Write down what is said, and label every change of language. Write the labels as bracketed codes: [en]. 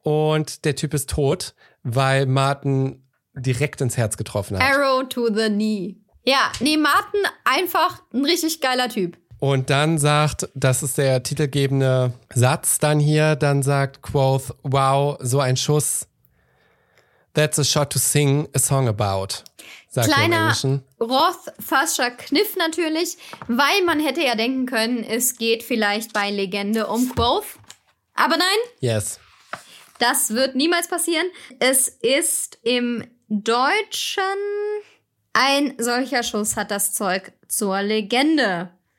[de] Und der Typ ist tot, weil Martin direkt ins Herz getroffen hat. [en] Arrow to the knee. [de] Ja, nee, Martin einfach ein richtig geiler Typ. Und dann sagt, das ist der titelgebende Satz dann hier, dann sagt Quoth, wow, so ein Schuss. [en] That's a shot to sing a song about. [de] Sagt kleiner Roth-Fascher Kniff natürlich, weil man hätte ja denken können, es geht vielleicht bei Legende um Quoth. Aber nein. [en] Yes. [de] Das wird niemals passieren. Es ist im Deutschen, ein solcher Schuss hat das Zeug zur Legende.